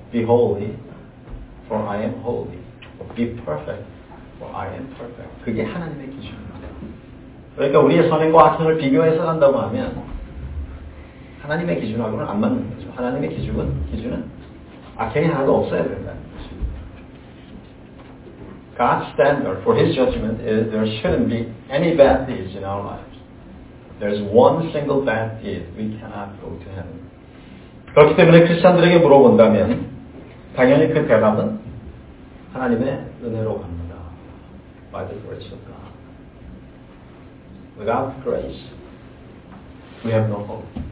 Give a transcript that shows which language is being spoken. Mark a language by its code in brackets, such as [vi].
[en] Be holy, for I am holy. Be perfect, for I am perfect. [ko] 그게 하나님의 기준입니다. 그러니까 우리의 선행과 악행을 비교해서 한다고 하면 하나님의 기준하고는 안 맞는 거죠. 하나님의 기준은 악행이 하나도 없어야 된다는 것입니다. [en] God's standard for His judgment is there shouldn't be any bad deeds in our lives. There's one single bad deed we cannot go to heaven. [ko] 그렇기 때문에 크리스천들에게 물어본다면 당연히 그 대답은 하나님의 은혜로 갑니다. [en] by the grace of God. Without grace, we have no hope.